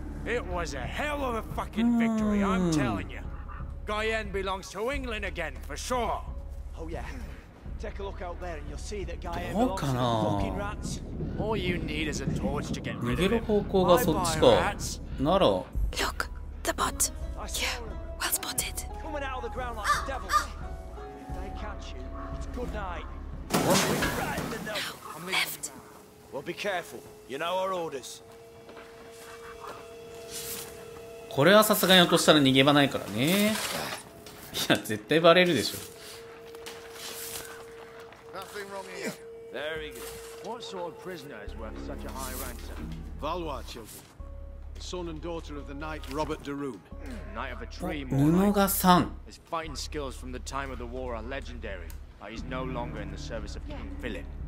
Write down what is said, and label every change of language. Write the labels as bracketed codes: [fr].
[en] It was a hell of a fucking victory, I'm telling you. Guyenne belongs to England again, for sure. Oh yeah. Take a look out there and you'll see that Guyenne belongs to the fucking rats. All you need is a torch to get rid of him. [ja] 逃げる方向がそっちか。なら。 [en] Look, the bot. Yeah, well spotted. Coming out of the ground like devils. If they catch you, it's good night. What? Now, left. Well, be careful. You know our orders. [ja] これはさすがに落としたら逃げ場ないからね。いや、絶対バレるでしょ。 [en] Nothing wrong here. Very good. What sort of prisoner is worth such a high ransom? Valois children. Son and daughter of the knight Robert de Roon. Knight of a tree, more like. His fighting skills from the time of the war are legendary, but he's no longer in the service of King Philip.